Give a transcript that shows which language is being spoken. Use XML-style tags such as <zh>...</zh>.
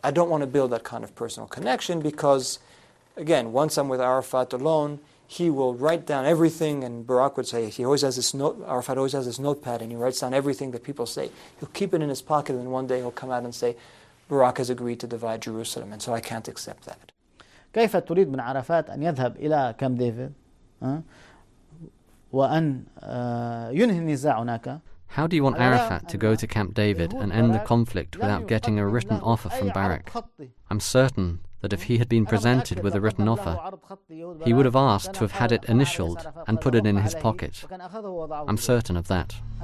<en>I don't want to build that kind of personal connection because, again, once I'm with Arafat alone, he will write down everything, and Barak would say, Arafat always has this notepad and he writes down everything that people say. He'll keep it in his pocket and one day he'll come out and say, Barak has agreed to divide Jerusalem, and so I can't accept that.</en> <ar>كيف تريد من عرفات أن يذهب إلى كامب ديفيد وأن ينهي النزاع هناك؟</ar> <en>How do you want Arafat to go to Camp David and end the conflict without getting a written offer from Barak? I'm certain that if he had been presented with a written offer, he would have asked to have had it initialed and put it in his pocket. I'm certain of that.</en>